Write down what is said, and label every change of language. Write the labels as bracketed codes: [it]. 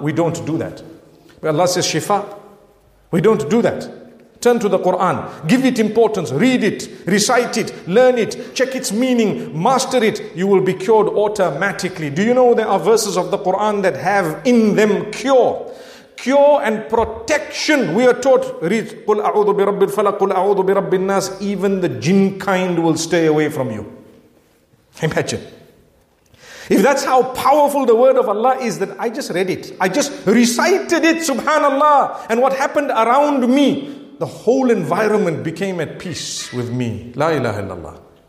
[en] We don't do that. But Allah says shifa. We don't do that. Turn to the Quran. Give it importance. Read it. Recite it. Learn it. Check its meaning. Master it. You will be cured automatically. Do you know there are verses of the Quran that have in them cure? Cure and protection. We are taught, read, [ar] قُلْ أَعُوذُ بِرَبِّ الْفَلَقِ قُلْ أَعُوذُ بِرَبِّ النَّاسِ. [en] Even the jinn kind will stay away from you. Imagine. If that's how powerful the word of Allah is, that I just read it. I just recited it, subhanallah. And what happened around me, the whole environment became at peace with me. La ilaha illallah.